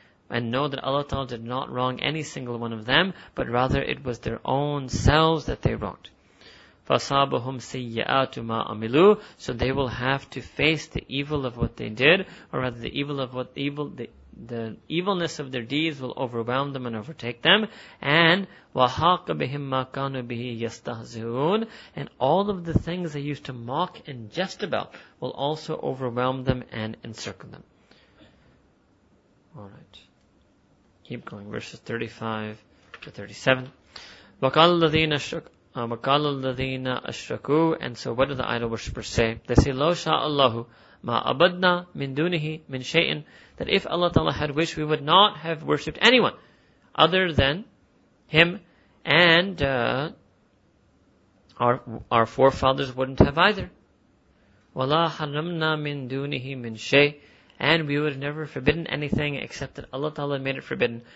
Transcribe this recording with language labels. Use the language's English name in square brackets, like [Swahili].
[English] And know that Allah Ta'ala did not wrong any single one of them, but rather it was their own selves that they wronged. [Arabic] فَصَابَهُمْ سَيِّئَاتُ مَا أَمِلُوا. [English] So they will have to face the evil of what they did, or rather the evilness of their deeds will overwhelm them and overtake them. And [Arabic] وَحَاقَ بِهِمْ مَا كَانُوا بِهِ يَسْتَهْزِئُونَ. [English] And all of the things they used to mock and jest about will also overwhelm them and encircle them. Alright. Keep going. Verses 35 to 37. [Arabic] وَقَالَ الَّذِينَ أَشْرَكُوا. وَقَالَ الَّذِينَ أَشْرَكُوا. [English] And so what do the idol worshippers say? They say, [Arabic] لَوْ شَاءَ اللَّهُ مَا أَبَدْنَا مِن دُونِهِ مِن شَيْءٍ. [English] That if Allah Ta'ala had wished, we would not have worshipped anyone other than Him, and our forefathers wouldn't have either. [Arabic] وَلَا حَرَّمْنَا مِن دُونِهِ مِن شَيْءٍ. [English] And we would have never forbidden anything except that Allah Ta'ala made it forbidden.